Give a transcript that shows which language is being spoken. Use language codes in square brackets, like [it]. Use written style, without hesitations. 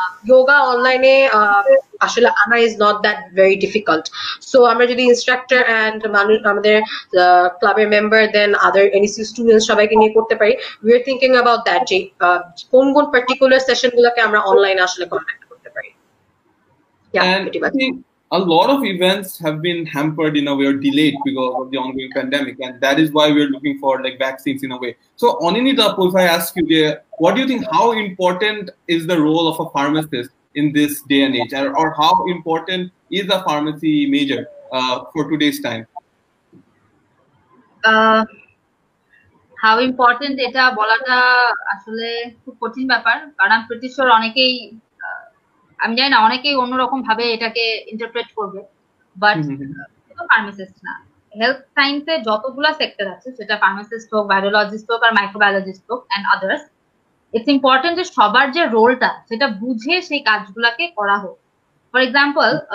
[bn] যোগা অনলাইনে আসলে আনা [en] is not that very difficult [bn] so আমরা যদি ইনস্ট্রাক্টর অ্যান্ড মানুষ আমাদের ক্লাবের মেম্বার দেন আদার এনএসইউ স্টুডেন্টস সবাইকে নিয়ে করতে পারি [en] we are thinking about that [bn] যে কোন কোন পার্টিকুলার সেশন গুলোকে আমরা অনলাইনে আসলে কন্ট্যাক্ট করতে পারি [en] A lot of events have been hampered in a way or delayed because of the ongoing pandemic, and that is why we are looking for like vaccines in a way. So, Anini Tapul, if I ask you, what do you think, how important is the role of a pharmacist in this day and age, or how important is a pharmacy major for today's time? How important [bn] eta bolata ashole khub kothin byapar karon pritishor onekei আমি জানি না অনেকেই অন্যরকম ভাবে এটাকে interpret করবে but pharmacist না health সায়েন্সে যতগুলো সেক্টর আছে সেটা ফার্মাসিস্ট হোক বায়োলজিস্ট হোক আর মাইক্রোবায়োলজিস্ট হোক অ্যান্ড আদার্স [en] it's important [bn] যে সবার যে রোলটা সেটা বুঝে সেই কাজগুলাকে করা হোক [en] for example